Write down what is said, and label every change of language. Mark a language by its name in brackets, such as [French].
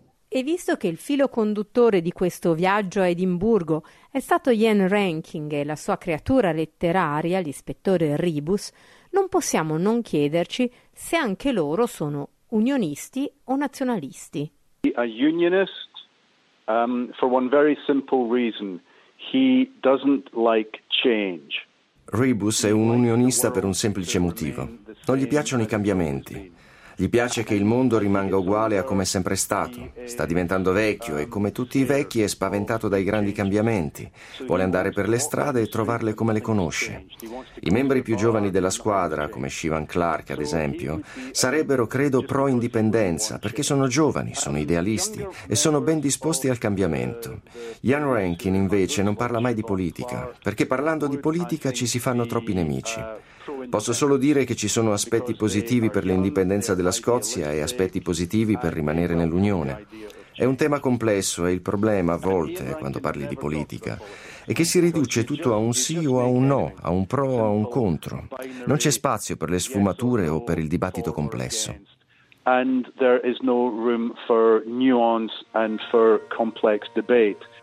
[Italian] E visto che il filo conduttore di questo viaggio a Edimburgo è stato Ian Rankin e la sua creatura letteraria, l'ispettore Rebus, non possiamo non chiederci se anche loro sono unionisti o nazionalisti. [English] A unionist, for one very simple reason, he doesn't like change. [Italian] Rebus è un unionista per un semplice motivo. Non gli piacciono i cambiamenti. Gli piace che il mondo rimanga uguale a come è sempre stato. Sta diventando vecchio e, come tutti i vecchi, è spaventato dai grandi cambiamenti. Vuole andare per le strade e trovarle come le conosce. I membri più giovani della squadra, come Shivan Clark, ad esempio, sarebbero, credo, pro-indipendenza, perché sono giovani, sono idealisti e sono ben disposti al cambiamento. Ian Rankin, invece, non parla mai di politica, perché parlando di politica ci si fanno troppi nemici. Posso solo dire che ci sono aspetti positivi per l'indipendenza della Scozia e aspetti positivi per rimanere nell'Unione. È un tema complesso e il problema, a volte, quando parli di politica, è che si riduce tutto a un sì o a un no, a un pro o a un contro. Non c'è spazio per le sfumature o per il dibattito complesso. [English] And there is no room for nuance and for complex debate.